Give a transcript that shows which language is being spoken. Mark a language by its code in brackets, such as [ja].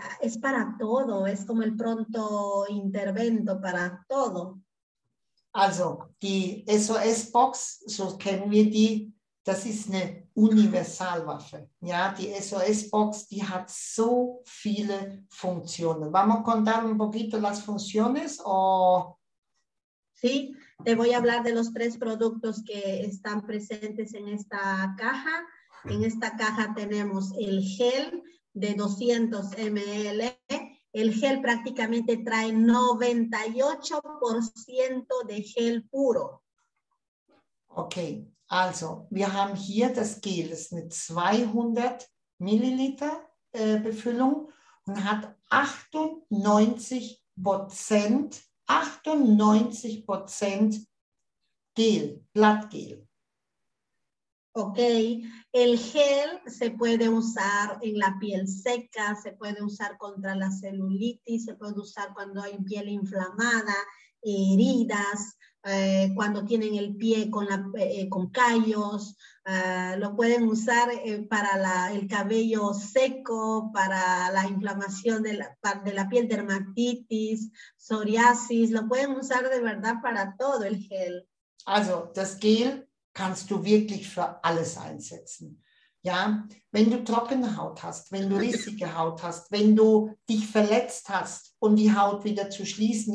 [es] Es para todo, es como el pronto intervento para todo. [de] Also, die SOS-Box, so kennen wir die, das ist eine Universalwaffe. Ja, die SOS-Box, die hat so viele Funktionen. [es] ¿Vamos a contar un poquito las funciones? Sí, te voy a hablar de los tres productos que están presentes en esta caja. En esta caja tenemos el gel de 200 ml. El gel prácticamente trae 98% de gel puro. Ok. [de] Also, wir haben hier das Gel, das ist eine 200 Milliliter Befüllung und hat 98% 98% gel, Blattgel. [es] Ok, el gel se puede usar en la piel seca, se puede usar contra la celulitis, se puede usar cuando hay piel inflamada, heridas, cuando tienen el pie con, con callos, lo pueden usar para el cabello seco, para la inflamación de la piel, dermatitis, psoriasis, lo pueden usar de verdad para todo el gel. [de] Also, das Gel kannst du wirklich für alles einsetzen. Ja, wenn du trockene Haut hast, wenn du rissige Haut hast, wenn du dich verletzt hast, um die Haut wieder zu schließen.